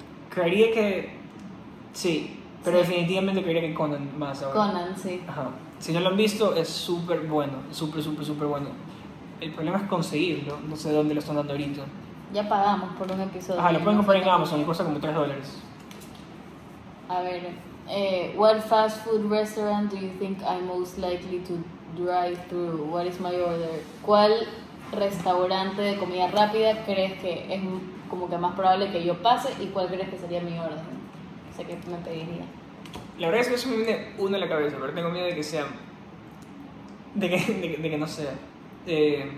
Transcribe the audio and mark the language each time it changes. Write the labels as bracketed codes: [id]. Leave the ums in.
[es] Creería que... Sí, pero sí. definitivamente creería que Conan más ahora. Conan, sí. Ajá. Si no lo han visto, es súper bueno. Súper, súper, súper bueno. El problema es conseguirlo. No sé dónde lo están dando ahorita. Ya pagamos por un episodio. Ajá, lo pueden comprar no en por Amazon por y cuesta como 3 dólares. A ver, eh, [en] what fast food restaurant do you think I'm most likely to drive through? What is my order? [es] ¿Cuál restaurante de comida rápida crees que es como que más probable que yo pase y cuál crees que sería mi orden? O sea, ¿qué me pediría? La verdad es que eso me viene uno en la cabeza, pero tengo miedo de que sea. de que, de, de, de que, no sea. Eh,